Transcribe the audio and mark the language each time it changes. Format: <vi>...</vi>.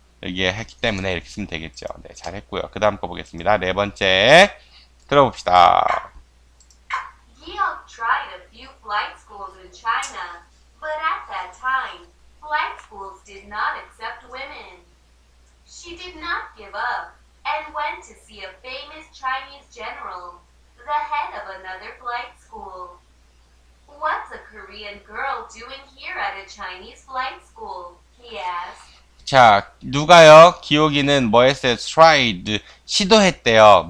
<ko>여기에 했기 때문에 이렇게 쓰면 되겠죠. 네, 잘했고요. 그 다음 거 보겠습니다. 네 번째. 들어봅시다.</ko> <en>Giok tried a few flight schools in China, but at that time, flight schools did not accept women. She did not give up and went to see a famous Chinese general, the head of another flight school. What's a Korean girl doing here at a Chinese flight school? He asked.</en> <ko>자, 누가요? 기욱이는 뭐 했어요?</ko> <en>tried,</en> <ko>시도했대요.</ko>